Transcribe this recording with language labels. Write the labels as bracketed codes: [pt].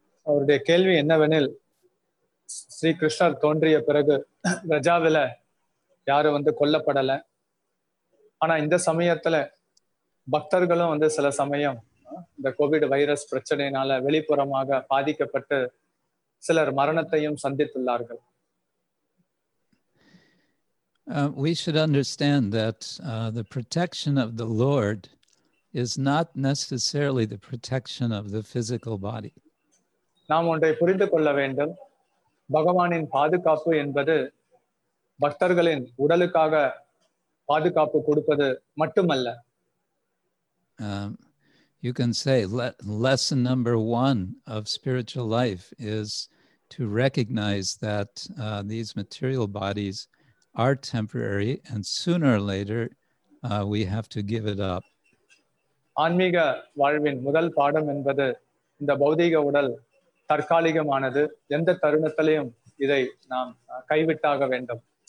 [ta] அவருடைய கேள்வி என்னவெனில், ஸ்ரீ கிருஷ்ணர் தோன்றிய பிறகு ரஜாவில் யாரும் வந்து கொல்லப்படலை, ஆனால் இந்த சமயத்தில் பக்தர்களும் வந்து சில சமயம் இந்த கோவிட் வைரஸ் பிரச்சனையினால வெளிப்புறமாக பாதிக்கப்பட்டு சிலர் மரணத்தையும் சந்தித்துள்ளார்கள். [en] We should understand that the protection of the Lord is not necessarily the protection of the physical body. [ta] நாம் ஒன்றை புரிந்து கொள்ள வேண்டும். பகவானின் பாதுகாப்பு என்பது பக்தர்களின் உடலுக்காக பாதுகாப்பு கொடுப்பது மட்டுமல்ல. [en] You can say lesson number one of spiritual life is to recognize that these material bodies are temporary and sooner or later we have to give it up. [ta] ஆன்மீக வாழ்வின் முதல் பாடம் என்பது இந்த பௌதீக உடல் தற்காலிகமானது, எந்த தருணத்திலையும் இதை நாம் கைவிட்டாக வேண்டும்.